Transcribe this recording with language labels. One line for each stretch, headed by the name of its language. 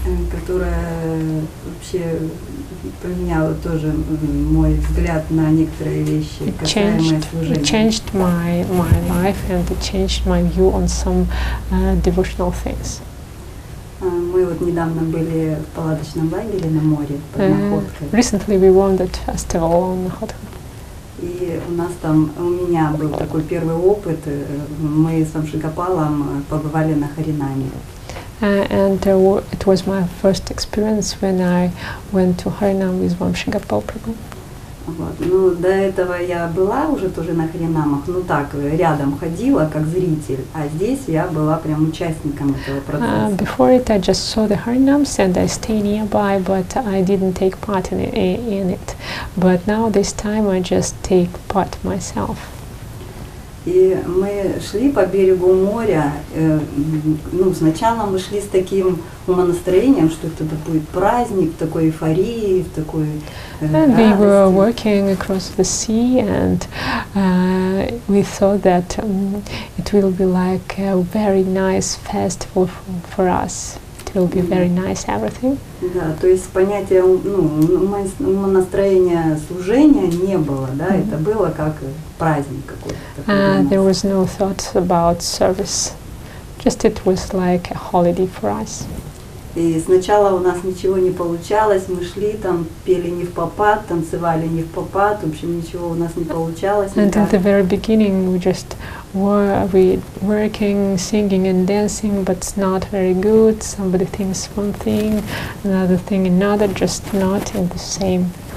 Russian: Которая вообще поменяла тоже мой взгляд на некоторые вещи, которые мои служения.
English: It changed my life and it changed my view on some devotional things.
Russian: Мы вот недавно были в палаточном лагере на море под Находкой.
English: Recently we were on that festival on Находка.
Russian: И у нас там, у меня был такой первый опыт. Мы с Амшигапалом побывали на Харинаме.
English: It was my first experience when I went to Harinam with Vamshigapal Prabhu.
Russian: Вот. Ну, до этого я была уже тоже на Харинамах, ну так, рядом ходила, как зритель, а здесь я была прям участником этого процесса.
English: Before it I just saw the Harinams and I stayed nearby, but I didn't take part in it. But now this time I just take part myself.
Russian: И мы шли по берегу моря, ну, сначала мы шли с таким умонастроением, что это будет праздник, такой эйфории, в такой
English: And
Russian: радости.
English: We were working across the sea, and we thought that it will be like a very nice festival for us. It will be very nice everything.
Russian: Да, то есть понятия, ну, умонастроения служения не было, да, это было как праздник какой-то.
English: There was no thought about service. Just it was like a holiday for us.
Russian: И сначала у нас ничего не получалось, мы шли там, пели не в попад, танцевали не в попад, в общем, ничего у нас не получалось.
English: And at the very beginning we just were working, singing and dancing, but not very good. Somebody thinks one thing, another thing another, just not in the same.